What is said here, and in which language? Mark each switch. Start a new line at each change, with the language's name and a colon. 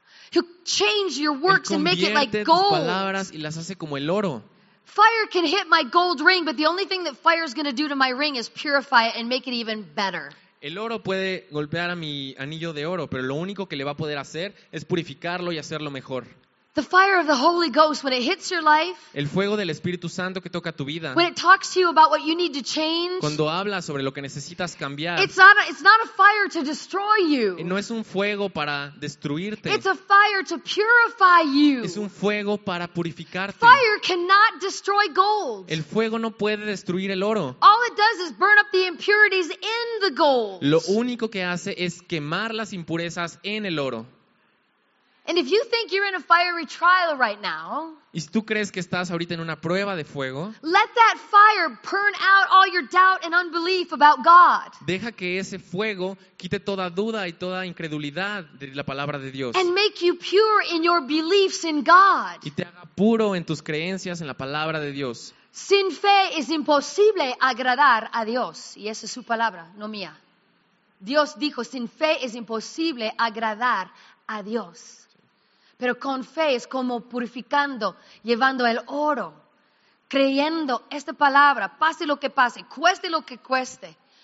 English: He'll change your works and make it like gold.
Spanish: Palabras y las hace como el oro.
English: Fire can hit my gold ring, but the only thing that fire is going to do to my ring is purify it and make it even better.
Spanish: El oro puede golpear a mi anillo de oro, pero lo único que le va a poder hacer es purificarlo y hacerlo mejor.
English: The fire of the Holy Ghost, when it hits your life,
Spanish: el fuego del Espíritu Santo que toca tu vida,
English: when it talks to you about what you need to change,
Spanish: cuando habla sobre lo que necesitas cambiar,
English: it's not a fire to destroy you.
Spanish: No es un fuego para destruirte.
English: It's a fire to purify you.
Spanish: Es un fuego para purificarte.
English: Fire cannot destroy gold.
Spanish: El fuego no puede destruir el oro.
English: All it does is burn up the impurities in the gold.
Spanish: Lo único que hace es quemar las impurezas en el oro.
English: And if you think you're in a fiery trial right now,
Spanish: y si tú crees que estás ahorita en una prueba de fuego,
English: let that fire burn out all your doubt and unbelief about God.
Spanish: Deja que ese fuego quite toda duda y toda incredulidad de la palabra de Dios.
English: And make you pure in your beliefs in God.
Spanish: Y te haga puro en tus creencias en la palabra de Dios. Sin fe es imposible agradar a Dios, y esa es su palabra, no mía. Dios dijo, sin fe es imposible agradar a Dios. Pero con fe es como purificando, llevando el oro, creyendo esta palabra, pase lo que pase, cueste lo que cueste.